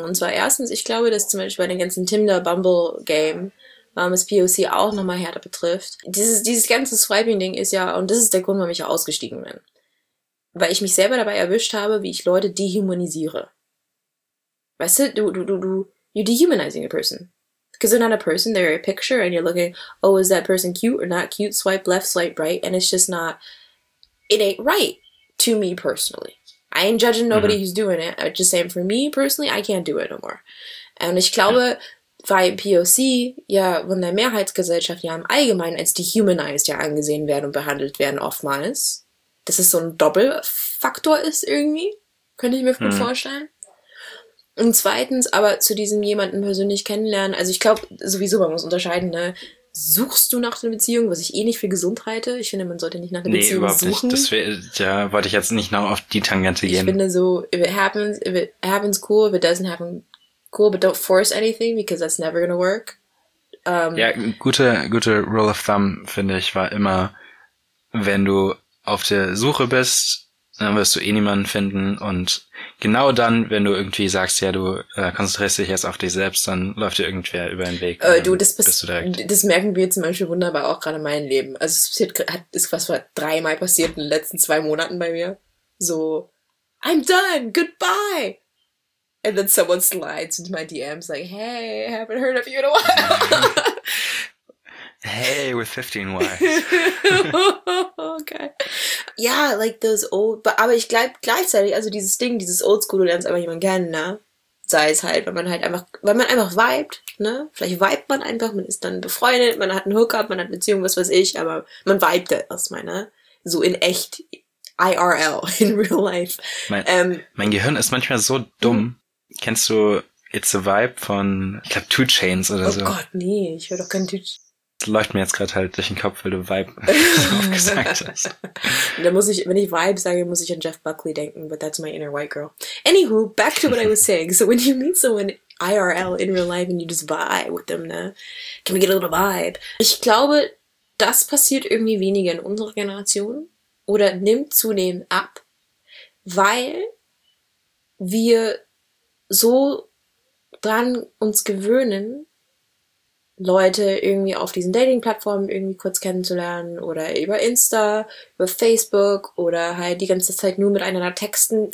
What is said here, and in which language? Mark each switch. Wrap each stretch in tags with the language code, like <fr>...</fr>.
<de>Und zwar erstens, ich glaube, dass zum Beispiel bei dem ganzen Tinder-Bumble-Game, warum es POC auch nochmal härter betrifft, dieses ganze Swiping-Ding ist ja, und das ist der Grund, warum ich ausgestiegen bin. Weil ich mich selber dabei erwischt habe, wie ich Leute dehumanisiere. Weißt du, du,</de> <en>you're dehumanizing a person. Because they're not a person, they're a picture, and you're looking, oh, is that person cute or not cute? Swipe left, swipe right, and it's just not, it ain't right to me personally. I ain't judging nobody who's doing it, I'm just saying, for me personally, I can't do it no more.</en> <de>Und ich glaube, weil POC ja von der Mehrheitsgesellschaft ja im Allgemeinen als dehumanized ja angesehen werden und behandelt werden oftmals, dass es so ein Doppelfaktor ist irgendwie, könnte ich mir gut vorstellen. Und zweitens aber zu diesem jemanden persönlich kennenlernen, also ich glaube sowieso, man muss unterscheiden, ne? Suchst du nach einer Beziehung, was ich eh nicht für gesund halte? Ich finde, man sollte nicht nach einer Beziehung suchen. Nee, überhaupt nicht. Wollte ich jetzt nicht noch auf die Tangente gehen. Ich finde so,</de> <en>if it happens, cool, if it doesn't happen, cool, but don't force anything, because that's never gonna work.</en> <de>Ja, gute</de> <en>Rule of Thumb,</en> <de>finde ich, war immer, wenn du auf der Suche bist, dann wirst du eh niemanden finden. Und genau dann, wenn du irgendwie sagst, ja, du konzentrierst dich jetzt auf dich selbst, dann läuft dir irgendwer über den Weg. Das merken wir zum Beispiel wunderbar auch gerade in meinem Leben. Also es ist dreimal passiert in den letzten 2 Monaten bei mir.</de> <en>So, I'm done, goodbye. And then someone slides into my DMs like, hey, haven't heard of you in a while. Hey, with 15 wives. Okay.</en> <de>Ja,</de> <en>like those old,</en> <de>aber ich glaube gleichzeitig, also dieses Ding, dieses Oldschool, du lernst einfach jemanden kennen, ne? Sei es halt, weil man einfach vibet, ne? Vielleicht vibet man einfach, man ist dann befreundet, man hat einen Hookup, man hat eine Beziehung, was weiß ich, aber man vibet erstmal, ne? So in echt, IRL,</de> <en>in real life.</en> <de>Mein Gehirn ist manchmal so dumm. Kennst du It's a Vibe von, ich glaube, 2 Chainz oder so? Oh Gott, nee, ich höre doch kein 2 Chainz. Läuft mir jetzt gerade halt durch den Kopf, weil du Vibe aufgesagt hast. Da muss ich, wenn ich Vibe sage, muss ich an Jeff Buckley denken,</de> <en>but that's my inner white girl. Anywho, back to what I was saying. So when you meet someone IRL in real life and you just vibe with them,</en> <de>ne?</de> <en>Can we get a little vibe?</en> <de>Ich glaube, das passiert irgendwie weniger in unserer Generation oder nimmt zunehmend ab, weil wir so dran uns gewöhnen, Leute irgendwie auf diesen Dating-Plattformen irgendwie kurz kennenzulernen oder über Insta, über Facebook oder halt die ganze Zeit nur miteinander texten.</de>